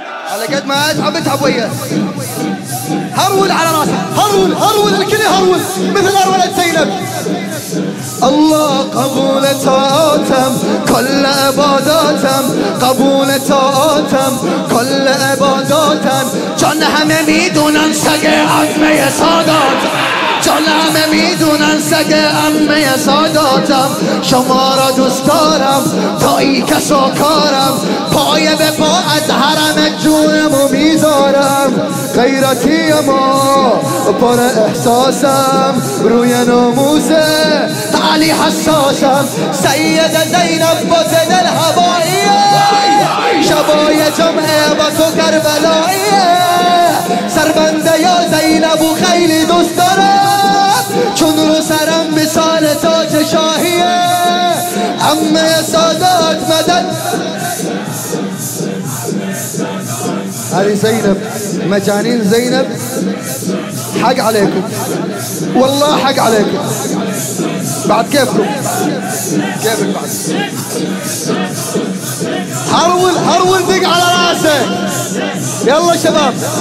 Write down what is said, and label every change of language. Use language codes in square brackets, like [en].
[ar] على قد ما اتعب اتعب وياك، هرول على راسك، هرول هرول الكل هرول مثل هرولة زينب. [fa] الله قبول طاعتم كل عباداتم، قبول طاعتم كل عباداتم، جان همه میدونن سگه عظمه سادات، جان همه میدونن سگه عظمه ساداتم، شما را دوست دارم تا ای کسا کارم، پای به پا از حرم جونمو میذارم، غیرتی اما پر احساسم، روی ناموس علی حساسم، سید زینب باز دل هواییه، شبای جمعه با تو کربلاییه، سربنده یا زینب و خیلی دوست دارم، چون رو سرم مثال تاج شاهیه، عمه سادات مدد [ar] علی زینب، مجانين زينب حق عليكم، والله حق عليكم، بعد كيفكم كيفك بعد. هرول هرول دق على راسك، يلا شباب.